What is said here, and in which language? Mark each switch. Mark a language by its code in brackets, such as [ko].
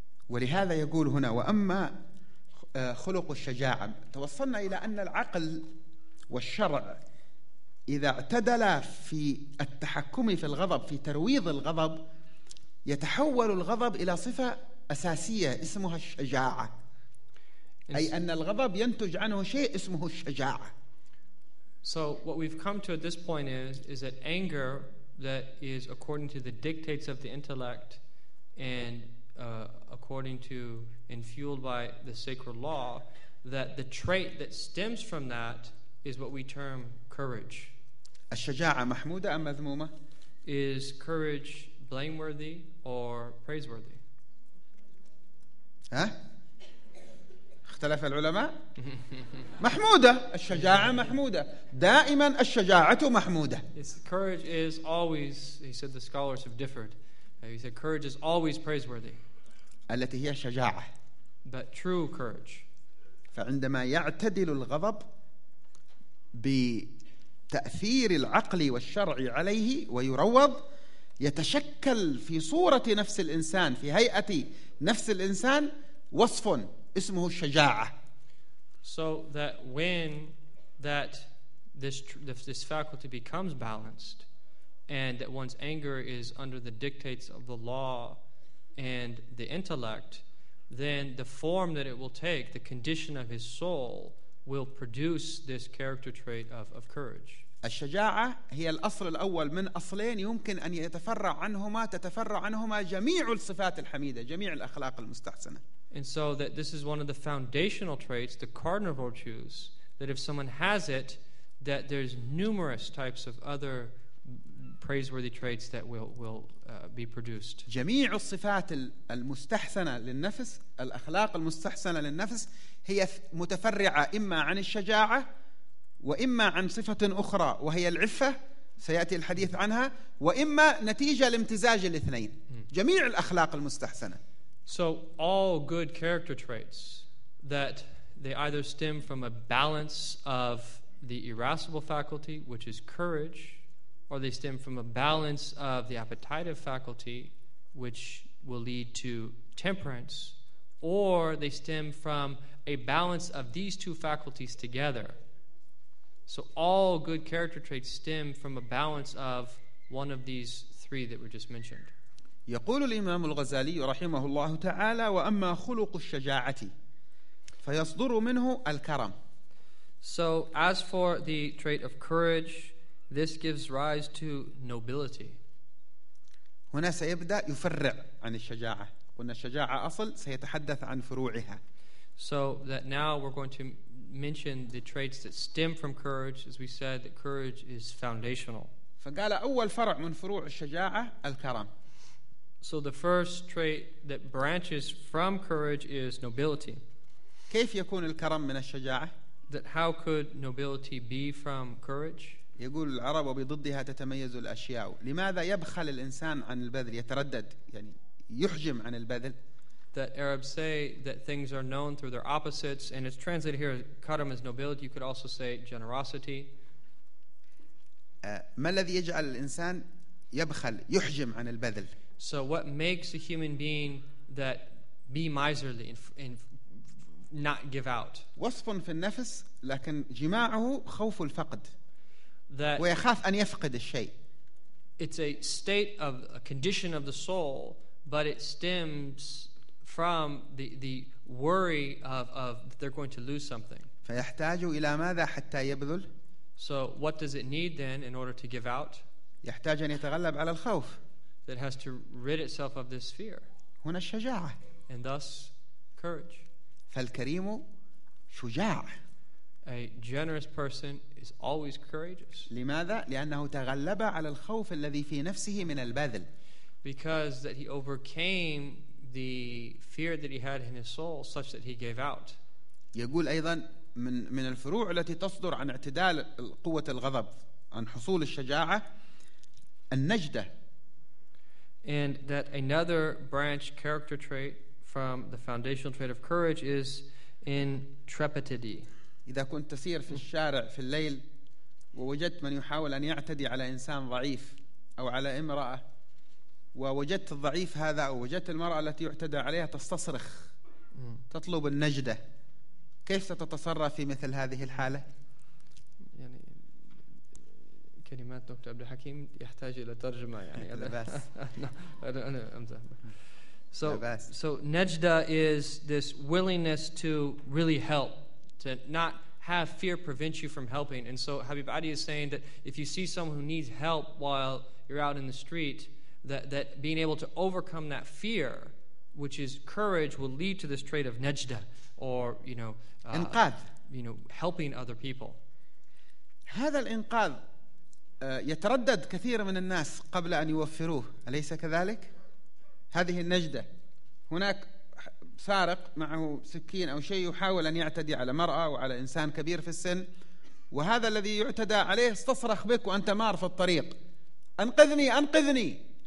[ar] ولهذا يقول هنا وأما خلق الشجاعة توصلنا إلى أن العقل والشرع إذا اعتدل في التحكم في الغضب في ترويض الغضب يتحول الغضب إلى صفة أساسية اسمها الشجاعة أي أن الغضب ينتج عنه شيء اسمه الشجاعة. [en] So what we've come to at this point is that anger that is according to the dictates of the intellect and according to and fueled by the sacred law, that the trait that stems from that is what we term courage. [ar] الشجاعة محمودة أم مذمومة؟ [en] Is courage blameworthy or praiseworthy? [ar] ها؟ اختلف العلماء؟ محمودة الشجاعة محمودة دائما الشجاعة محمودة. [en] Yes, courage is always, he said the scholars have differed. He said courage is always praiseworthy. [ar] التي هي شجاعة. [en] But true courage. [ar] فعندما يعتدل الغضب بتأثير العقل والشرع عليه ويروض يتشكل في صورة نفس الإنسان في هيئة نفس الإنسان وصف اسمه الشجاعة. [en] So that when that this faculty becomes balanced and that one's anger is under the dictates of the law and the intellect, then the form that it will take, the condition of his soul, will produce this character trait of courage. [ar] الشجاعة هي الأصل الأول من أصلين يمكن أن يتفرع عنهما جميع الصفات الحميدة جميع الأخلاق المستحسنة. [en] And so that this is one of the foundational traits, the cardinal virtues, that if someone has it, that there's numerous types of other praiseworthy traits that will be produced. [ar] جميع الصفات المستحسنة للنفس الأخلاق المستحسنة للنفس هي متفرعة إما عن الشجاعة وإما عن صفة أخرى وهي العفة سيأتي الحديث عنها وإما نتيجة لامتزاج الاثنين جميع الأخلاق المستحسنة. [en] So all good character traits that they either stem from a balance of the irascible faculty, which is courage, or they stem from a balance of the appetitive faculty, which will lead to temperance, or they stem from a balance of these two faculties together. So all good character traits stem from a balance of one of these three that were just mentioned. [ar] يقول الإمام الغزالي رحمه الله تعالى وأما خلق الشجاعة فيصدر منه الكرم. [en] So as for the trait of courage, this gives rise to nobility. [ar] هنا سيبدأ يفرع عن الشجاعة. قلنا الشجاعة أصل سيتحدث عن فروعها. [en] So that now we're going to mention the traits that stem from courage, as we said that courage is foundational. [ar] فقال أول فرع من فروع الشجاعة الكرم. [en] So the first trait that branches from courage is nobility. [ar] كيف يكون الكرم من الشجاعة؟ [en] That how could nobility be from courage? [ar] يقول العرب وبضدها تتميز الأشياء. لماذا يبخل الإنسان عن البذل؟ يتردد يعني يحجم عن البذل. [en] That Arabs say that things are known through their opposites, and it's translated here karam as nobility. You could also say generosity. [ar] ما الذي يجعل الإنسان يبخل يحجم عن البذل؟ [en] So what makes a human being that be miserly and not give out? [ar] وصف في النفس لكن جماعه خوف الفقد. [en] That [ar] ويخاف أن يفقد الشيء. [en] It's a state of a condition of the soul, but it stems from the worry of that they're going to lose something. [ar] فيحتاج إلى ماذا حتى يبذل؟ [en] So what does it need then in order to give out? [ar] يحتاج أن يتغلب على الخوف. [en] That has to rid itself of this fear. [ar] هنا الشجاعة. [en] And thus, courage. [ar] فالكريم شجاع. [en] A generous person is always courageous. [ar] لماذا؟ لأنه تغلب على الخوف الذي في نفسه من البذل. [en] Because that he overcame the fear that he had in his soul such that he gave out. [ar] يقول أيضا من الفروع التي تصدر عن اعتدال قوة الغضب عن حصول الشجاعة النجدة. [en] And that another branch character trait from the foundational trait of courage is intrepidity. [ar] إذا كنت تسير في الشارع في الليل ووجدت من يحاول أن يعتدي على إنسان ضعيف أو على امرأة ووجدت الضعيف هذا أو وجدت المرأة التي يعتدى عليها تستصرخ تطلب النجدة. كيف ستتصرف في مثل هذه الحالة؟ يعني كلمات دكتور عبد الحكيم يحتاج إلى ترجمة يعني. لا بأس. أنا أمزح. [en] So najda is this willingness to really help, to not have fear prevent you from helping. And so Habib Adi is saying that if you see someone who needs help while you're out in the street, that being able to overcome that fear, which is courage, will lead to this trait of najda, or [ar] إنقاذ. [en] You know, helping other people. [ar] هذا الإنقاذ يتردد كثير من الناس قبل أن يوفروه، أليس كذلك؟ هذه النجدة، هناك سارق معه سكين أو شيء يحاول أن يعتدي على مرأة وعلى إنسان كبير في السن، وهذا الذي يعتدى عليه استصرخ بك وأنت مار في الطريق، أنقذني أنقذني.